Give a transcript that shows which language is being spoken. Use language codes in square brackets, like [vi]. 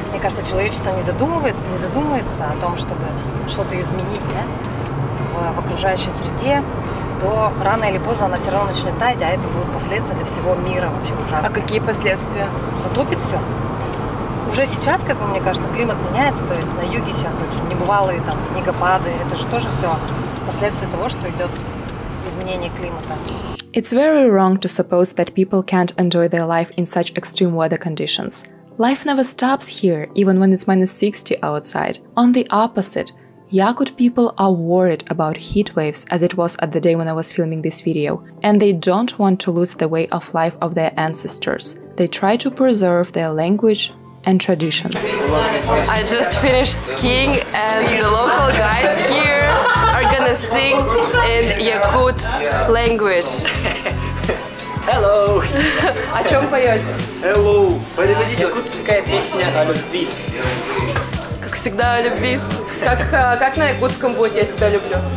[ru] Мне кажется, человечество не задумывается о том, чтобы что-то изменить, да, в окружающей среде, то рано или поздно она все равно начнет таять, а это будут последствия для всего мира вообще ужасные. А какие последствия? Затопит все. Уже сейчас, как мне кажется, климат меняется, то есть на юге сейчас очень небывалые там снегопады, это же тоже все последствия того, что идет изменение климата. [en] It's very wrong to suppose that people can't enjoy their life in such extreme weather conditions. Life never stops here, even when it's minus 60 outside. On the opposite, Yakut people are worried about heat waves, as it was at the day when I was filming this video, and they don't want to lose the way of life of their ancestors. They try to preserve their language and traditions. I just finished skiing and the local guys here are gonna sing in Yakut language. Hello! [ru] О чем поете? [en] Hello! [ru] Переведите якутская песня о любви. Как всегда о любви. Как на якутском будет «Я тебя люблю»?